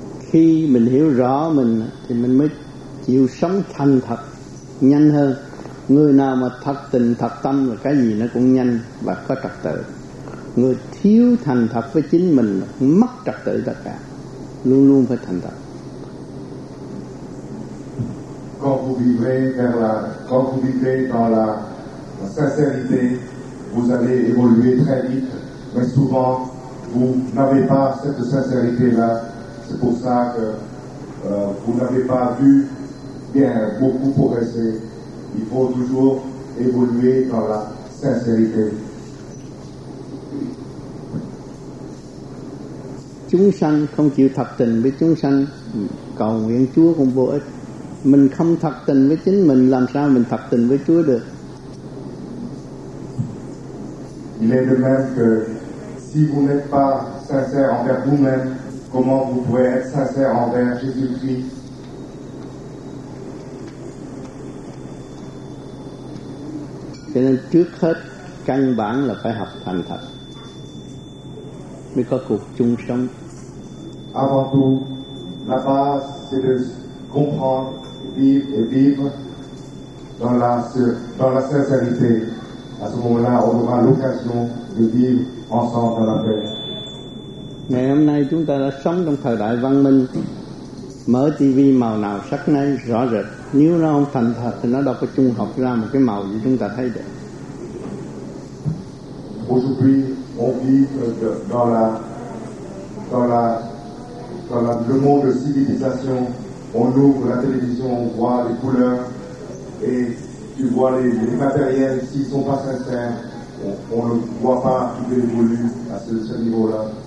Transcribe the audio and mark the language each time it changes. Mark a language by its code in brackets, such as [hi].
[vi] Khi mình hiểu rõ mình thì mình mới chịu sống thành thật nhanh hơn. Người nào mà thật tình thật tâm là cái gì nó cũng nhanh và có trật tự. Người thiếu thành thật với chính mình mất trật tự tất cả. Luôn luôn phải thành thật. [fr] Quand vous vivez vers la, quand vous vivez dans la, la sincérité, vous allez évoluer très vite. Mais souvent, vous n'avez pas cette sincérité là. C'est pour ça que vous n'avez pas vu bien beaucoup progresser. Il faut toujours évoluer dans la sincérité. [vi] Chúng sanh không chịu thật tình với chúng sanh, cầu nguyện Chúa cũng vô ích. Mình không thật tình với chính mình, làm sao mình thật tình với Chúa được? [fr] Il est de même que si vous n'êtes pas sincère envers vous-même, comment vous pouvez être sincère envers Jésus-Christ? [vi] Cho nên trước hết căn bản là phải học thành thật mới có cuộc chung sống. [fr] Avant tout, la base c'est de comprendre vivre et vivre dans la sincérité. À ce moment-là, on aura l'occasion de vivre ensemble dans la paix. [vi] Ngày hôm nay chúng ta đã sống trong thời đại văn minh, mở TV màu nào sắc nấy rõ rệt. Nếu nó không thành thật thì nó đâu có trung học ra một cái màu gì chúng ta thấy được. [fr] Aujourd'hui, on vit dans le monde de civilisation. On ouvre la télévision, on voit les couleurs et tu vois les matériels, s'ils sont pas sincères, on ne voit pas qu'il évolue à ce niveau-là.